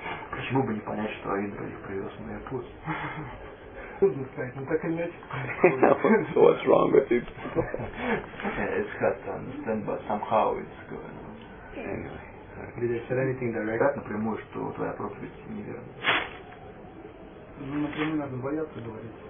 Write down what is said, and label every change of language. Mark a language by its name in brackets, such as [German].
[Russian] Почему бы не понять, что Индра их привез в Майяпур? [English] So what's wrong with you? Yeah, it's hard to understand, but somehow it's going on. Anyway. Did I say anything direct? [Russian] Напрямую, что твоя проповедь неверна. Ну, напрямую надо бояться говорить.